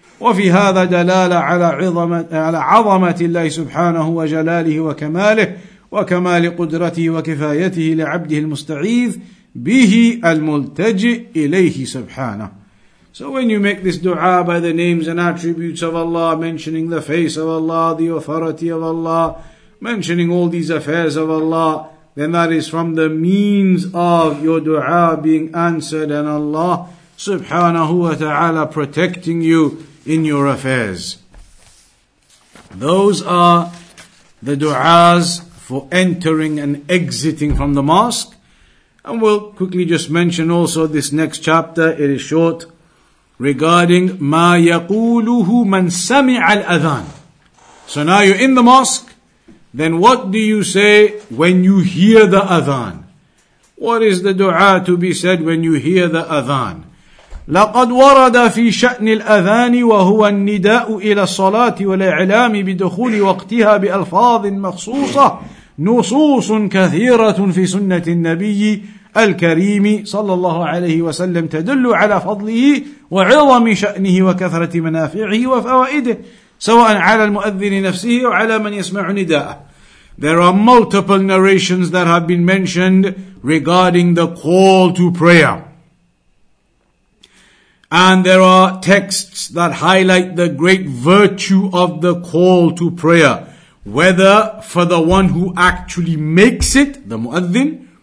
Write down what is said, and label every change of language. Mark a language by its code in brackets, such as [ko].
[ar] وَفِي هَذَا دَلَالَةٌ عَلَى عَظَمَةِ اللَّهِ سُبْحَانَهُ وَجَلَالِهِ وَكَمَالِهِ وكمال قدرته وكفايته لعبده المستعيذ به الملتجئ إليه سبحانه. [en] So when you make this dua by the names and attributes of Allah, mentioning the face of Allah, the authority of Allah, mentioning all these affairs of Allah, then that is from the means of your dua being answered, and Allah subhanahu wa ta'ala protecting you in your affairs. Those are the duas for entering and exiting from the mosque. And we'll quickly just mention also this next chapter, it is short, regarding [ar] مَا يَقُولُهُ مَنْ سَمِعَ الْأَذَانِ. [en] So now you're in the mosque, then what do you say when you hear the adhan? What is the dua to be said when you hear the adhan? [ar] لَقَدْ وَرَدَ فِي شَأْنِ الْأَذَانِ وَهُوَ النِّدَاءُ إِلَى الصَّلَاةِ وَالْإِعْلَامِ بِدُخُولِ وَقْتِهَا بِأَلْفَاظٍ مَخْصُوصَةٍ نُصُوصٌ كَثِيرَةٌ فِي سُنَّةِ النَّبِيِّ الْكَرِيمِ صلى الله عليه وسلم تدل على فضله وعظم شأنه وكثرة منافعه وفوائده سواء على المؤذن نفسه أو على من يسمع نداءه. [en] There are multiple narrations that have been mentioned regarding the call to prayer. And there are texts that highlight the great virtue of the call to prayer. Whether for the one who actually makes it, the muadhin.